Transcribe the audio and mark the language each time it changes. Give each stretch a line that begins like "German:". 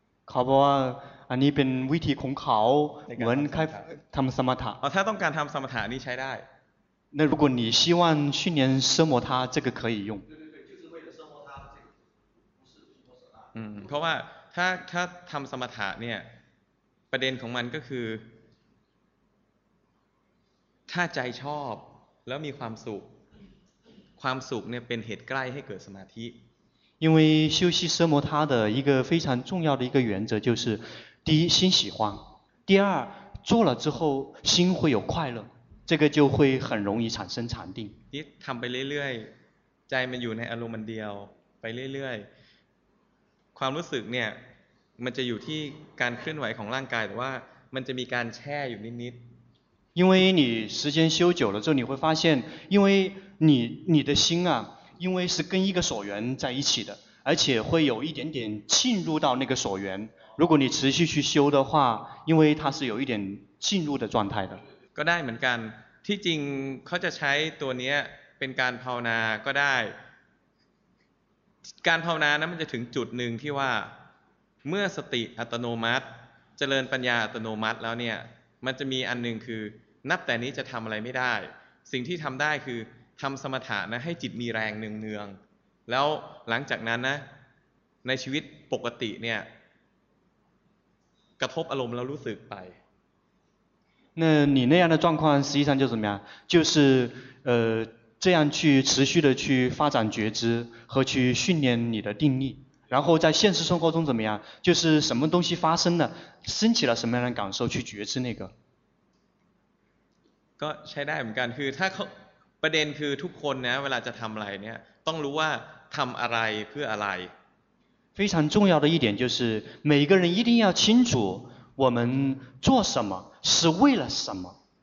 Thai: เขาบอกว่าอันนี้เป็นวิธีของเขาเหมือนการทำสมถะ ถ้าต้องการทำสมถะนี่ใช้ได้
Chinese: 那如果你希望训练奢摩他这个可以用
Thai: เพราะว่าถ้าทำสมถะเนี่ยประเด็นของมันก็คือถ้าใจชอบแล้วมีความสุขความสุขเนี่ยเป็นเหตุใกล้ให้เกิดสมาธิ
Chinese: 因为修习奢摩他的一个非常重要的一个原则就是第一心喜欢第二做了之后心会有快乐这个就会很容易产生禅定你
Thai: ทำไปเรื่อยๆใจมันอยู่ในอารมณ์เดียวไปเรื่อยๆความรู้สึกเนี่ยมันจะอยู่ที่การเคลื่อนไหวของร่างกายแต่ว่ามันจะมีการแช่อยู่นิด
Chinese: ๆ因为你时间修久了之后你会发现因为你的心啊因为是跟一个所缘在一起的而且会有一点点进入到那个所缘如果你持续去修的话因为它是有一点进入的状态的
Thai: ก็ได้เหมือนกันที่จริงเขาจะใช้ตัวนี้เป็นการภาวนาก็ได้การภาวนานั้นมันจะถึงจุดหนึ่งที่ว่าเมื่อสติอัตโนมัติเจริญปัญญาอัตโนมัติแล้วเนี่ยมันจะมีอันนึงคือนับแต่นี้จะทำอะไรไม่ได้สิ่งที่ทำได้คือทำสมถะนะให้จิตมีแรงเนืองๆแล้วหลังจากนั้นนะในชีวิตปกติเนี่ยกระทบอารมณ์แล้วรู้สึกไป
Chinese: 那你那样的状况实际上就怎么样就是这样去持续的去发展觉知和去训练你的定力然后在现实生活中怎么样就是什么东西发生了升起了什么样的感受去觉知那个
Thai: ก็ใช้ได้เหมือนกันคือถ้าประเด็นคือทุกคนนะเวลาจะทำอะไรเนี่ยต้องรู้ว่าทำอะไรเพื่ออะไร
Chinese: 非常重要的一点就是每个人一定要清楚我们做什么是为了什么